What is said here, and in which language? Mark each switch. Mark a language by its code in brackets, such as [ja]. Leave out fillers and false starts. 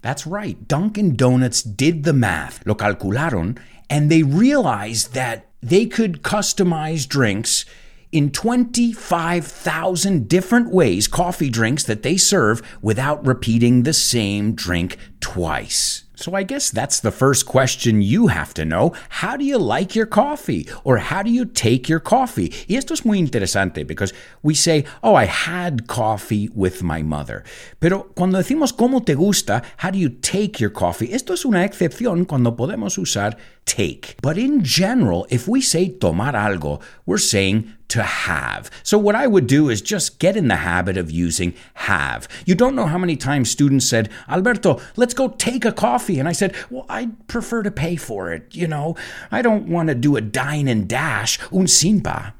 [en] That's right, Dunkin' Donuts did the math, [es] lo calcularon, [en] and they realized that they could customize drinks in 25,000 different ways, coffee drinks that they serve without repeating the same drink twice. So I guess that's the first question you have to know. How do you like your coffee? Or how do you take your coffee? [es] Y esto es muy interesante [en] because we say, oh, I had coffee with my mother. [es] Pero cuando decimos cómo te gusta, [en] how do you take your coffee? [es] Esto es una excepción cuando podemos usar take. [en] But in general, if we say tomar algo, we're saying to have. So what I would do is just get in the habit of using have. You don't know how many times students said, Alberto, let's go take a coffee. And I said, well, I'd prefer to pay for it. You know, I don't want to do a dine and dash, [es] un simpa.